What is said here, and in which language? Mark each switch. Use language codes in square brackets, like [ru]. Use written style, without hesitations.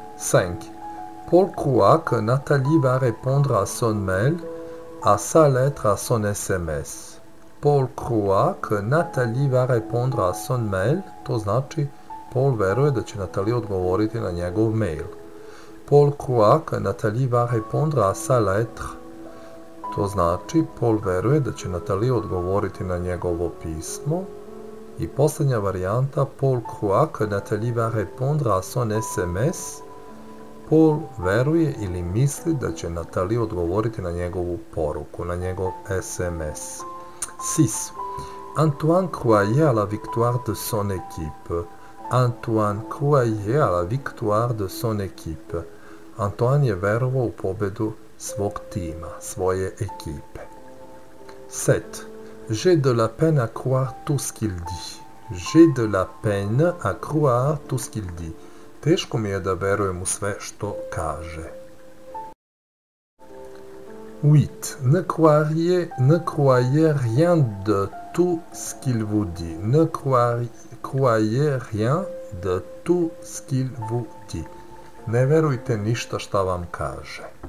[fr] 5. Paul croit que Nathalie va répondre à son mail, à sa lettre, à son SMS. Paul croit que Nathalie va répondre à son mail, [sr] to znači Paul veruje da će Nathalie odgovoriti na njegov mail. [fr] Paul croit que Nathalie va répondre à sa lettre. [sr] To znači Paul veruje da će Nathalie odgovoriti na njegovo pismo. I posljednja varijanta, [fr] Paul croit que Nathalie va répondre à son SMS. [sr] Paul veruje ili misli da će Nathalie odgovoriti na njegovu poruku, na njegov SMS. 6. [fr] Antoine croyait à la victoire de son équipe. Antoine croyait à la victoire de son équipe. [sr] Antoine je verovao u pobedu svog tima, svoje ekipe. 7. [fr] J'ai de la peine à croire tout ce qu'il dit. J'ai de la peine à croire tout ce qu'il dit. [sr] Teško mi je da verujem u sve što kaže. [fr] 8. Ne croyez rien de tout ce qu'il vous dit. Ne croyez rien de tout ce qu'il vous dit. [sr] Ne verujte ništa šta vam kaže.